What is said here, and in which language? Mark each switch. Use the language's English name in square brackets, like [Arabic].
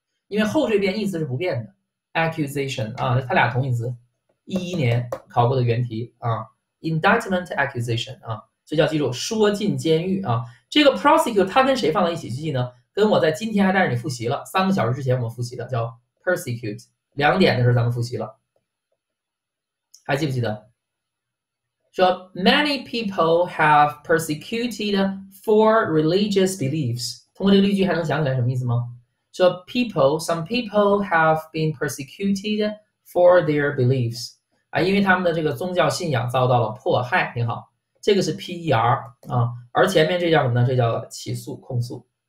[Chinese] 因为后缀变意思是不变的，accusation 啊，它俩同义词，11年考过的原题啊，indictment accusation 啊，所以要记住说进监狱啊。这个 prosecute 它跟谁放在一起去记呢？跟我在今天还带着你复习了3个小时之前我们复习的叫 persecute，2点的时候咱们复习了，还记不记得？说 [English] many people have persecuted for religious beliefs， [Chinese] 通过这个例句还能想起来什么意思吗？说 [English] people, some people have been persecuted for their beliefs [Chinese] 啊，因为他们的这个宗教信仰遭到了迫害。挺好，这个是 PER 啊，而前面这叫什么呢？这叫起诉、控诉。